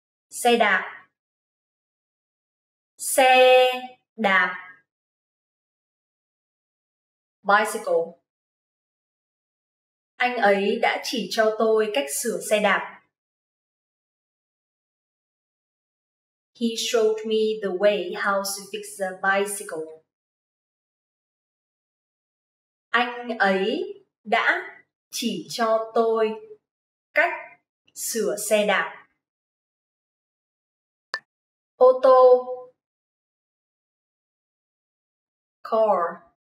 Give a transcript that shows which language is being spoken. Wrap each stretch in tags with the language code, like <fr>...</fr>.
<vi>Xe đạp. Xe đạp.</vi> <en>Bicycle.</en> <vi>Anh ấy đã chỉ cho tôi cách sửa xe đạp.</vi> <en>He showed me the way how to fix the bicycle.</en> <vi>Anh ấy đã chỉ cho tôi cách sửa xe đạp. Ô tô.</vi> <en>Car.</en>